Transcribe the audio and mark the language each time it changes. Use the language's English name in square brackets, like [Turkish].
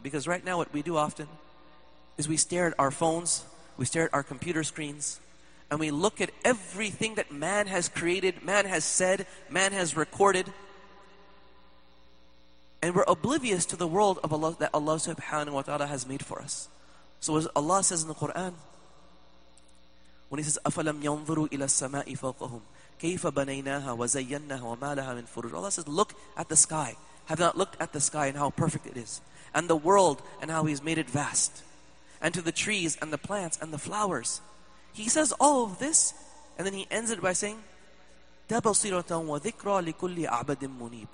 [English] Because right now what we do often is we stare at our phones, we stare at our computer screens, and we look at everything that man has created, man has said, man has recorded, and we're oblivious to the world of Allah that Allah subhanahu wa ta'ala has made for us. So as Allah says in the Quran, when He says, [Arabic] أَفَلَمْ يَنْظُرُوا إِلَى السَّمَاءِ فَوْقَهُمْ كَيْفَ بَنَيْنَاهَا وَزَيَّنَّاهَا وَمَا لَهَا مِنْ فُرُوجٍ. [English] Allah says, look at the sky. Have not looked at the sky and how perfect it is. And the world and how He's made it vast. And to the trees and the plants and the flowers. He says all of this and then He ends it by saying, [Arabic] تَبَصِيرَةً وَذِكْرَى لِكُلِّ عَبَدٍ مُنِيبٍ.